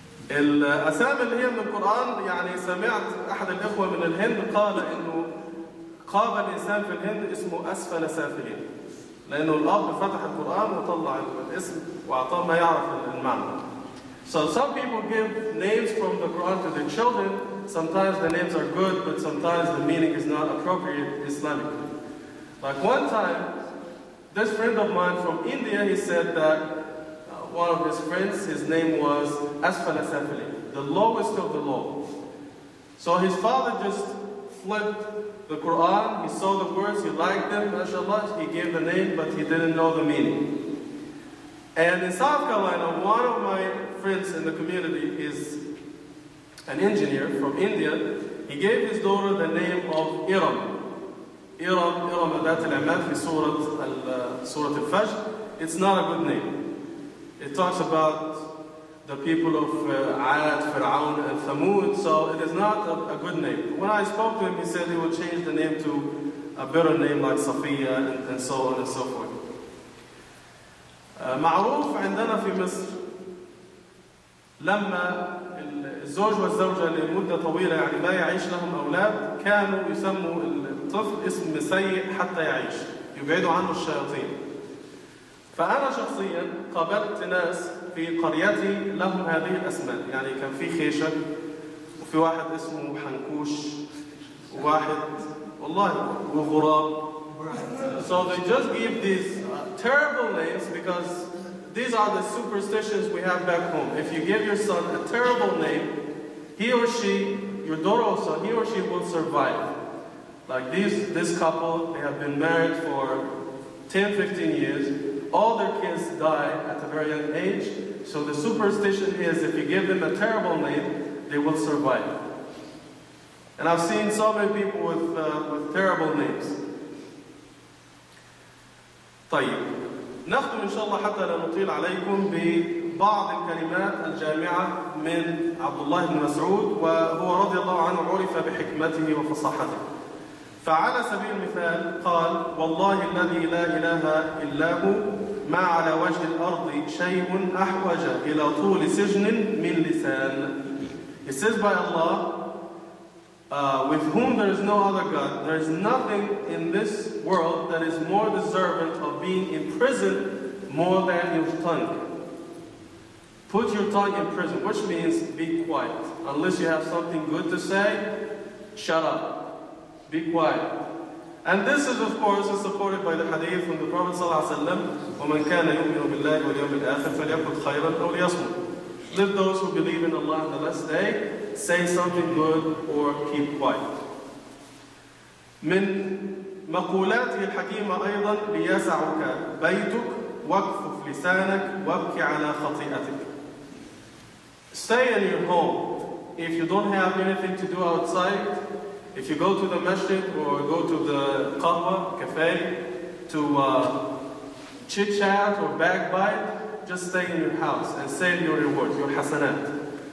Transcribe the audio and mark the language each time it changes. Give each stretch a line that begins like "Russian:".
Arabic: الأسامي اللي هي من القرآن يعني سمعت أحد الإخوة من الهند قال إنه قابل إنسان في الهند اسمه أسفل سافلين لأنه الأب فتح القرآن وطلع الاسم وأعطاه ما يعرف المعنى.
English: So some people give names from the Quran to their children. Sometimes the names are good, but sometimes the meaning is not appropriate Islamically. Like one time, this friend of mine from India, he said that one of his friends, his name was Asfala Safali, the lowest of the low. So his father just flipped the Quran, he saw the words, he liked them, mashallah, he gave the name, but he didn't know the meaning. And in South Carolina, one of my friends in the community is an engineer from India. He gave his daughter the name of Iram.
Arabic: Iram adat al-Imad fi surat al-Fajr.
English: It's not a good name. It talks about the people of Aad, Fir'aun, and Thamud, so it is not a good name. When I spoke to him, he said he would change the name to a better name like Safiya and so on and so forth.
Arabic: معروف عندنا في مصر لما الزوج والزوجة لمدة طويلة يعني ما يعيش لهم أولاد كانوا يسموا الطفل اسم سيء حتى يعيش يبعدوا عنه الشياطين. فأنا شخصيا قابلت ناس في قريتي لهم هذه الأسماء يعني كان في خيشك وفي واحد اسمه حنكوش وواحد والله وغراب.
English: So they just give these terrible names because These are the superstitions we have back home. If you give your son a terrible name, he or she, your daughter also, he or she will survive. Like this couple, they have been married for 10, 15 years. All their kids die at a very young age. So the superstition is if you give them a terrible name, they will survive. And I've seen so many people with terrible names.
Arabic: طيب نختم إن شاء الله حتى لا نطيل عليكم ببعض الكلمات الجامعة من عبد الله بن مسعود وهو رضي الله عنه عرف بحكمته وفصاحته. فعلى سبيل المثال قال: والله الذي لا إله إلا هو ما على وجه الأرض شيء أحوج إلى طول سجن من لسان.
English: He says by Allah, with whom there is no other God, there is nothing in this world that is more deserving of being imprisoned more than your tongue. Put your tongue in prison, which means be quiet. Unless you have something good to say, shut up. Be quiet. And this is, of course, supported by the hadith from the Prophet ﷺ,
Arabic: وَمَنْ كَانَ يُؤْمِنُ بِاللَّهِ وَالْيَوْمِ الْآخِرِ فَلْيَقُلْ خَيْرًا أَوْ لِيَصْمُتْ.
English: Let those who believe in Allah on the last day say something good or keep quiet.
Arabic: من مقولاته الحكيمة أيضا ليسعك بيتك واكفف لسانك وابكي على خطيئتك.
English: Stay in your home. If you don't have anything to do outside, if you go to the masjid or go to the qahwa, cafe, to chit-chat or backbite, just stay in your house and save your rewards, your hasanat.